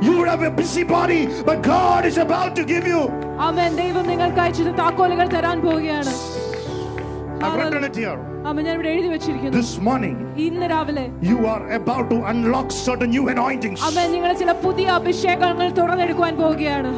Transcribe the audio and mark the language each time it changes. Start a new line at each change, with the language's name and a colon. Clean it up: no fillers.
English: You would have a busy body, but God is about to give you. Amen.
Malayalam: ദൈവം നിങ്ങൾക്കായി ചില താക്കോലുകൾ തരാൻ പോവുകയാണ്.
English: This morning, you are about to unlock certain new anointings. Amen.
Malayalam: നിങ്ങളെ ചില പുതിയ അഭിഷേകങ്ങൾ തുറന്നെടുക്കാൻ പോവുകയാണ്.